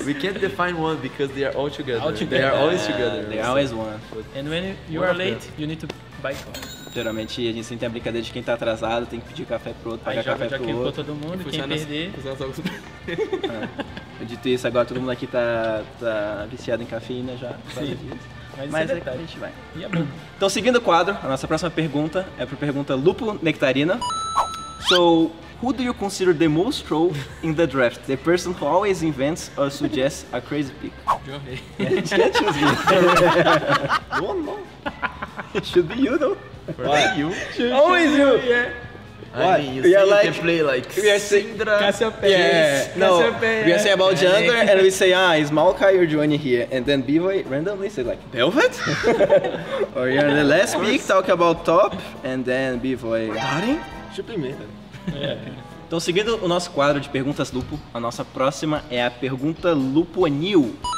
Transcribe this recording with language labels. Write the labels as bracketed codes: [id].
[en] We can't define one because they are all together. All together. They are always together. They are always one. And when you are late, you need to buy coffee. [pt] Geralmente a gente sempre tem a brincadeira de quem tá atrasado, tem que pedir café pro outro, pagar café pro outro. Já quebrou todo mundo, quem perder. Eu dito isso, agora todo mundo aqui tá viciado em cafeína já. Sim. Mas é que a gente vai. Então, seguindo o quadro, a nossa próxima pergunta é para a pergunta Lupo Nectarina. [en] So, who do you consider the most troll in the draft? The person who always invents or suggests a crazy pick? Jorge. Yeah, you can't choose me. No. It should be you, though. Why you? Always you. Yeah. What? I mean, you, we see, like, you can play like Syndra, Cassiopeia. We are saying about gender, and we say, ah, is Maokai or Joanie here? And then B-Boy randomly say like, Velvet? Or you're the last week talking about top, and then B-Boy, Darin? [pt] Então, seguindo o nosso quadro de perguntas Lupo, a nossa próxima é a pergunta Lupo New.